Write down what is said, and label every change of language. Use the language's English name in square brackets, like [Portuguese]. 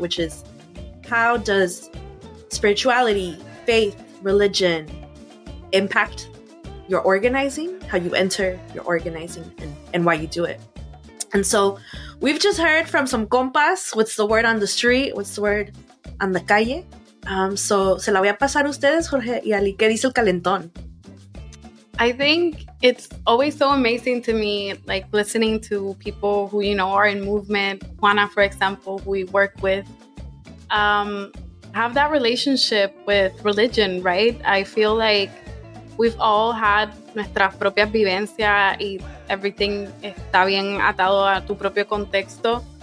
[English] Which is, how does spirituality, faith, religion impact your organizing, how you enter your organizing, and why you do it. And so we've just heard from some compas, what's the word on the street, what's the word on the calle. [Spanish] So se la voy a pasar a ustedes, Jorge y Ali, ¿qué dice el calentón? [English] I think it's always so amazing to me, like, listening to people who, you know, are in movement, Juana, for example, who we work with, have that relationship with religion, right? I feel like we've all had [Spanish] nuestras propias vivencias y everything está bien atado a tu propio contexto.